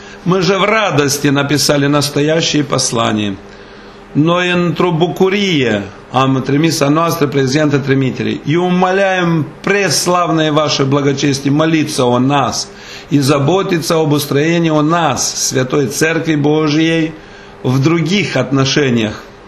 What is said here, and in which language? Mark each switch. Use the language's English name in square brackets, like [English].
[Russian] Мы же в радости написали настоящие послания. [Romanian] Noi într-o bucurie am trimis a noastră prezentă trimitere. [Russian] И умоляем преславное ваше благочестие молиться о нас и заботиться об устроении о нас, Святой Церкви Божией, в других отношениях.